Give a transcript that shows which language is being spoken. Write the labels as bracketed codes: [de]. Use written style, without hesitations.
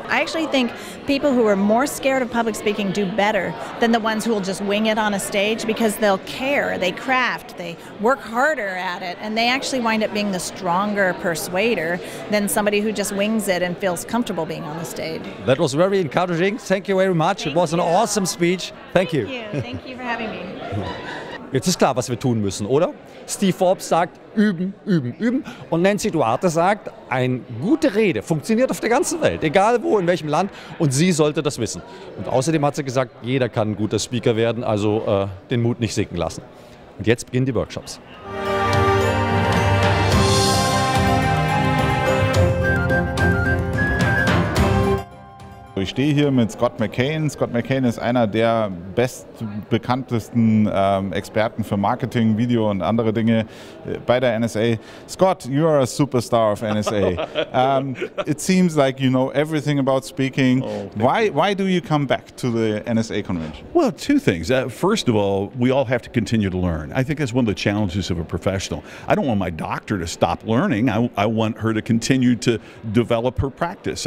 [en] I actually think people who are more scared of public speaking do better than the ones who will just wing it on a stage because they'll care, they craft, they work harder at it, and they actually wind up being the stronger persuader than somebody who just wings it and feels comfortable being on the stage. That was very encouraging. Thank you very much. Thank it was you. An awesome speech. Thank you. Thank you for having me. [de] Jetzt ist klar, was wir tun müssen, oder? Steve Forbes sagt, üben, üben, üben. Und Nancy Duarte sagt, eine gute Rede funktioniert auf der ganzen Welt, egal wo, in welchem Land. Und sie sollte das wissen. Und außerdem hat sie gesagt, jeder kann ein guter Speaker werden, also den Mut nicht sinken lassen. Und jetzt beginnen die Workshops. Ich stehe hier mit Scott McCain. Scott McCain ist einer der bestbekanntesten Experten für Marketing, Video und andere Dinge bei der NSA. [en] Scott, you are a superstar of NSA. It seems like you know everything about speaking. Oh, why do you come back to the NSA convention? Well, two things. First of all, we all have to continue to learn. I think that's one of the challenges of a professional. I don't want my doctor to stop learning. I want her to continue to develop her practice.